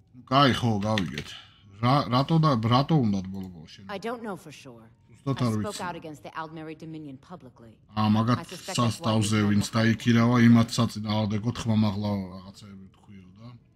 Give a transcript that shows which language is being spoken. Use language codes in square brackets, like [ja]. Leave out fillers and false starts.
[ka] კაი ხო, გავიგეთ. რატო და რატო უნდა ბოლბო შენ? [en] I don't know for sure. [ka] Not არ ვიცი. [en] I spoke out against the Aldmeri Dominion publicly. [ka] ა მაგათ სასტავზე ვინც დაიქირავა, იმათ საწინ ადეგო თხმამაღლა რაღაცები თქვიო და.